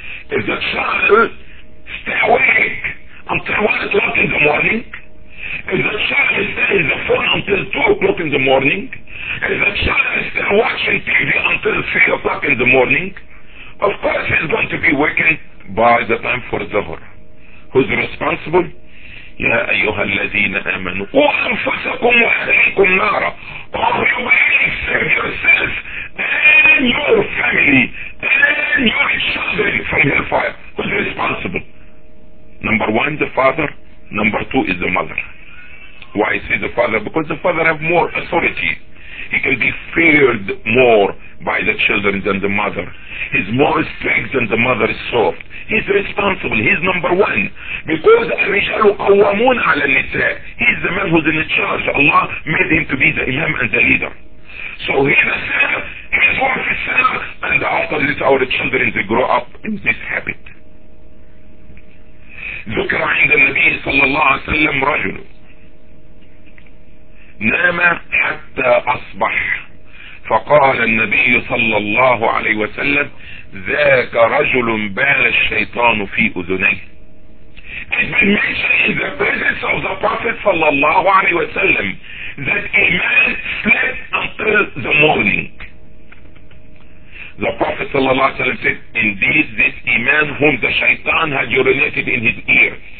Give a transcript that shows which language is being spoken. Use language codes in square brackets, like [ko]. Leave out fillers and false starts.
[en] If the child stay awake until 1 o'clock in the morning, if the child stay in the phone until 2 o'clock in the morning, if the child stay watching TV until 3 o'clock in the morning, of course he's going to be wakened by the time for Zuhr. Who's responsible? [ar] يا أيها الذين آمنوا قوا أنفسكم وأهليكم نارا. [en] Call your wife, save yourself and your family and your children from your fire. Who's responsible? Number one, the father. Number two is the mother. Why I say the father? Because the father have more authority. He can be feared more by the children than the mother. He's more strict than the mother is soft. He's responsible. He's number one. Because [ar] الرجال قوامون على النساء. [en] He's the man who's in charge. Allah made him to be the imam and the leader. So he's a sinner. His wife is a sinner. And after this, our children, they grow up in this habit. [ar] ذكر عند النبي صلى الله عليه وسلم رجل نام حتى أصبح فقال النبي صلى الله عليه وسلم ذاك رجل بال الشيطان في أذنيه. [en] It's been mentioned in the presence of the Prophet [ar] صلى الله عليه وسلم [en] that a man slept until the morning. The Prophet [ar] صلى الله عليه وسلم [en] said, indeed this iman whom the shaitan had urinated in his ears.